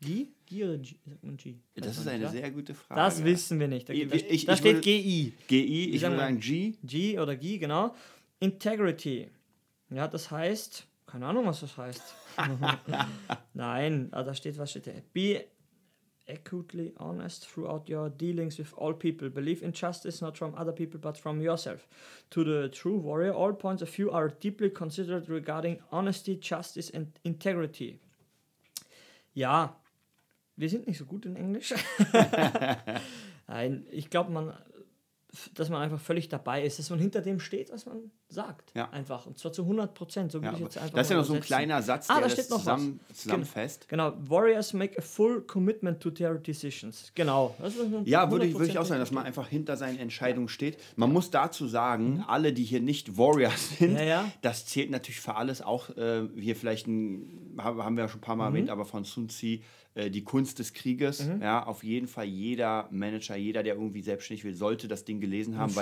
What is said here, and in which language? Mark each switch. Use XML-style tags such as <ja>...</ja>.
<de>Gi? Gi oder G? Sagt man G? Das ist eine sehr gute Frage. Das wissen wir nicht. Da steht Gi. Gi, ich würde sagen G. G oder Gi, genau. Integrity. Ja, das heißt, keine Ahnung, was das heißt. Nein, da steht, was steht da?</de> <en>Acutely honest throughout your dealings with all people. Believe in justice not from other people but from yourself. To the true warrior, all points of view are deeply considered regarding honesty, justice and integrity.</en> <de>Ja, wir sind nicht so gut in Englisch. Nein, ich glaube, dass man einfach völlig dabei ist, dass man hinter dem steht, was man sagt. Ja. Einfach. Und zwar zu 100%. So würde ich jetzt einfach. Das ist ja noch so ein kleiner Satz, der steht das zusammenfasst. Genau.</de> <en>Warriors make a full commitment to their decisions.</en> <de>Genau. Ja, würde ich auch sagen, dass man einfach hinter seinen Entscheidungen steht. Man muss dazu sagen, alle, die hier nicht Warriors sind, das zählt natürlich für alles. Auch hier vielleicht, haben wir ja schon ein paar Mal erwähnt, aber von Sun Tzu, die Kunst des Krieges, ja, auf jeden Fall jeder Manager, jeder, der irgendwie selbstständig will, sollte das Ding gelesen haben.</de>